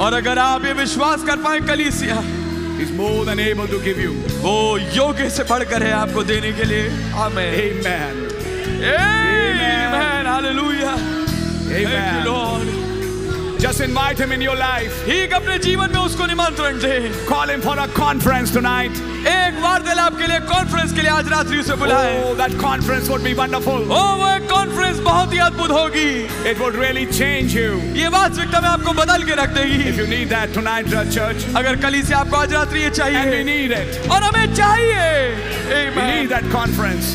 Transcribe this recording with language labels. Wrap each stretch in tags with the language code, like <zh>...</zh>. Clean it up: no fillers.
<hi>Aur agar aap ye vishwas kar paaye, kalisiya.</hi> <en>He's more than able to give you.</en> <hi>Wo yogya se badhkar hai aapko dene ke liye. Amen.</hi> <en>Amen. Amen. Hallelujah. Amen. Thank you, Lord. Just invite him in your life.</en> <hi>ठीक अपने जीवन में उसको निमंत्रण दे.</hi> <en>Call him for a conference tonight.</en> <hi>एक बार दिल आपके लिए conference के लिए आज रात्रि उसे बुलाएं.</hi> <en>Oh, that conference would be wonderful.</en> <hi>Oh, वो एक conference बहुत ही अद्भुत होगी.</hi> <en>It would really change you.</en> <hi>ये वास्तविकता में आपको बदल के रख देगी.</hi> <en>If you need that tonight, church.</en> <hi>अगर कलीसिया आपको आज रात्रि ये चाहिए.</hi> <en>And we need it.</en> <hi>और हमें चाहिए.</hi> <en>Amen. We need that conference.</en>